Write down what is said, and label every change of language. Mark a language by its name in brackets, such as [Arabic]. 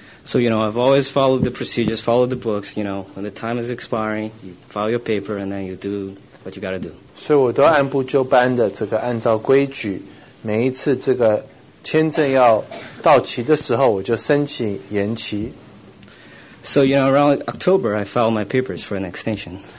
[English] So, you know, I've always followed the procedures, followed the books, you know, when the time is expiring, you file your paper and then you do what you got to do. [Chinese] 所以我都按部就班的这个按照规矩,每一次这个 签证要到期的时候，我就申请延期。 [English] So, you know, around October, I filed my papers for an extension.